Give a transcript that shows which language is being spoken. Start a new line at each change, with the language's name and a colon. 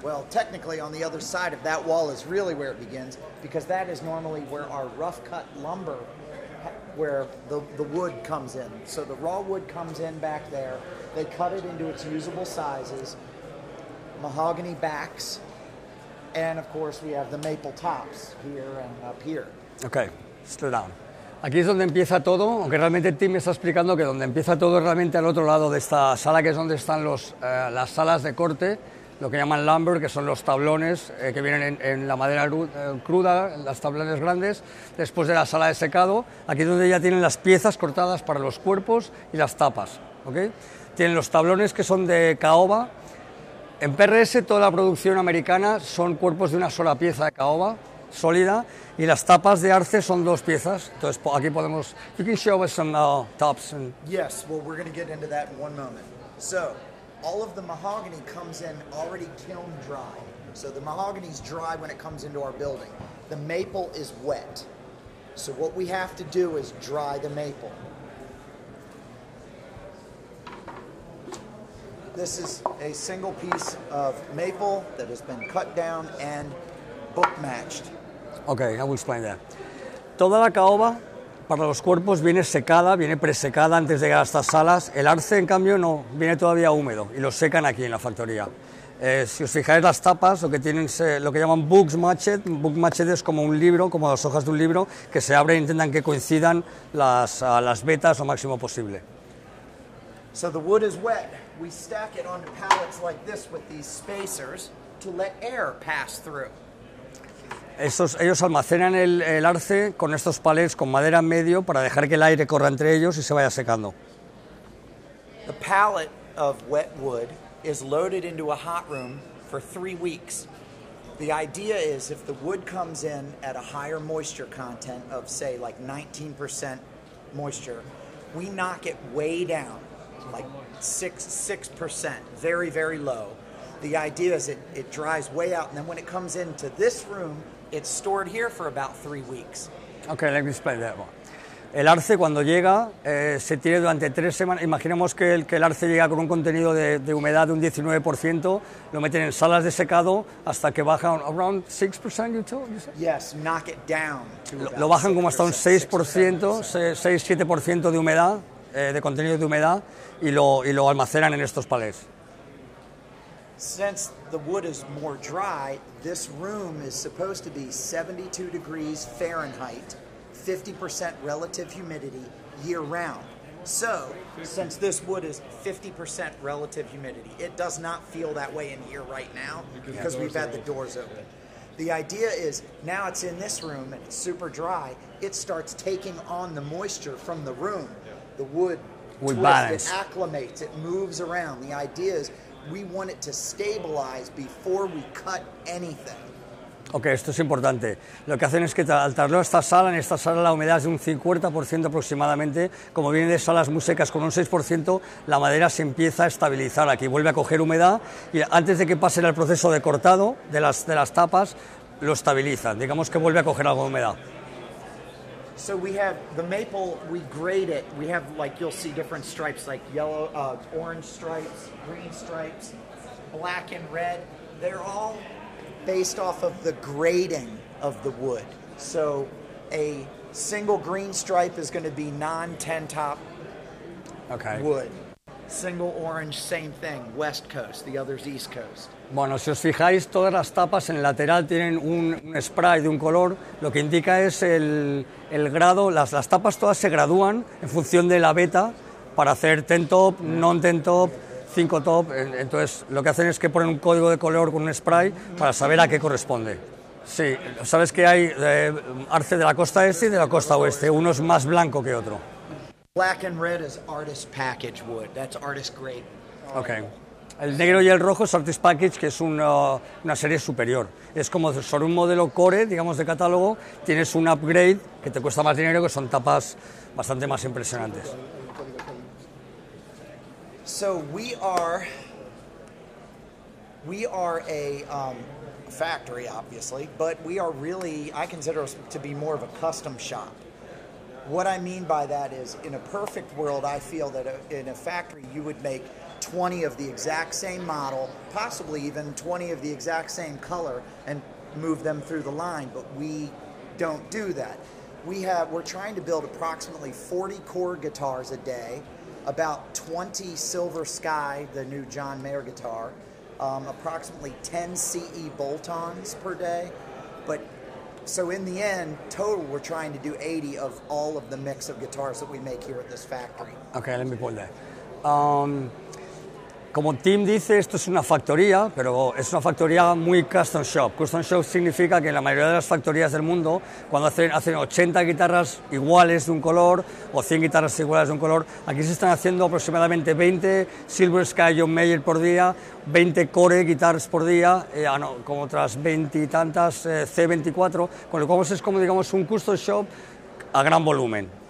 English: Well, technically, on the other side of that wall is really where it begins, because that is normally where our rough-cut lumber, where the wood comes in. So the raw wood comes in back there. They cut it into its usable sizes. Mahogany backs. And, of course, we have the maple tops here and up here. Okay, slow down.
Spanish: Aquí es donde empieza todo, aunque realmente Tim me está explicando que donde empieza todo es realmente al otro lado de esta sala, que es donde están las salas de corte, lo que llaman lumber, que son los tablones que vienen en la madera cruda, las tablones grandes, después de la sala de secado, aquí es donde ya tienen las piezas cortadas para los cuerpos y las tapas, ¿ok? Tienen los tablones que son de caoba. En PRS toda la producción americana son cuerpos de una sola pieza de caoba, sólida, y las tapas de arce son dos piezas. Entonces, aquí podemos...
English: You can show us some tops. And... Yes, well, we're going to get into that in one moment. So, all of the mahogany comes in already kiln dry. So, the mahogany's dry when it comes into our building. The maple is wet. So, what we have to do is dry the maple. This is a single piece of maple that has been cut down and bookmatched. Okay, I will explain that.
Spanish: Toda la caoba para los cuerpos viene secada, viene presecada antes de llegar a estas salas. El arce, en cambio, no, viene todavía húmedo y lo secan aquí en la factoría. Si os fijáis las tapas, lo que llaman bookmatched es como un libro, como las hojas de un libro, que se abren e intentan que coincidan las vetas lo máximo posible.
English: So the wood is wet. We stack it onto pallets like this with these spacers to let air pass through.
Spanish: Ellos almacenan el arce con estos palets con madera en medio para dejar que el aire corra entre ellos y se vaya secando.
English: The pallet of wet wood is loaded into a hot room for 3 weeks. The idea is if the wood comes in at a higher moisture content of, say, like 19% moisture, we knock it way down, like 6%, very, very low. The idea is it dries way out, and then when it comes into this room, it's stored here for about 3 weeks. Okay, let me explain that one.
Spanish: El arce cuando llega se tiene durante 3 semanas. Imaginemos que el arce llega con un contenido de humedad de un 19%. Lo meten en salas de secado hasta que baja
English: around
Spanish: 6%.
English: You said? Yes, knock it down to.
Spanish: Lo bajan como hasta un 6%, 6-7% de humedad de contenido de humedad y lo almacenan en estos palets.
English: Since the wood is more dry, this room is supposed to be 72 degrees Fahrenheit, 50% relative humidity, year round. So, since this wood is 50% relative humidity, it does not feel that way in here right now because we've had the doors open. The idea is now it's in this room and it's super dry, it starts taking on the moisture from the room. The wood twists, it acclimates, it moves around. The idea is we want it to stabilize before we cut anything.
Spanish: Okay, esto es importante. Lo que hacen es que al traerlo a esta sala, en esta sala la humedad es de un 50% aproximadamente. Como viene de salas muy secas con un 6%, la madera se empieza a estabilizar aquí, vuelve a coger humedad y antes de que pase el proceso de cortado de las tapas, lo estabilizan. Digamos que vuelve a coger algo de humedad.
English: So we have the maple, we grade it. We have, like, you'll see different stripes, like yellow, orange stripes, green stripes, black and red. They're all based off of the grading of the wood. So a single green stripe is going to be non-ten top wood. Single orange, same thing, West Coast, the other's East Coast.
Spanish: Bueno, si os fijáis, todas las tapas en el lateral tienen un spray de un color, lo que indica es el grado, las tapas todas se gradúan en función de la beta para hacer ten top, non ten top, 5 top, entonces lo que hacen es que ponen un código de color con un spray para saber a qué corresponde. Sí, sabes que hay arce de la costa este y de la costa oeste, uno es más blanco que otro.
English: Black and red is artist package wood. That's artist grade. Okay.
Spanish: El negro y el rojo es artist package, que es una serie superior. Es como sobre un modelo core, digamos, de catálogo, tienes un upgrade que te cuesta más dinero, que son tapas bastante más impresionantes.
English: So we are a factory, obviously, but we are really, I consider us to be more of a custom shop. What I mean by that is, in a perfect world, I feel that in a factory you would make 20 of the exact same model, possibly even 20 of the exact same color, and move them through the line, but we don't do that. We're trying to build approximately 40 chord guitars a day, about 20 Silver Sky, the new John Mayer guitar, approximately 10 CE bolt-ons per day. But so in the end, total, we're trying to do 80 of all of the mix of guitars that we make here at this factory. Okay, let me pull that.
Spanish: Como Tim dice, esto es una factoría, pero es una factoría muy custom shop. Custom shop significa que la mayoría de las factorías del mundo, cuando hacen 80 guitarras iguales de un color o 100 guitarras iguales de un color, aquí se están haciendo aproximadamente 20 Silver Sky John Mayer por día, 20 Core guitars por día, como otras 20 y tantas C24, con lo cual es como digamos un custom shop a gran volumen.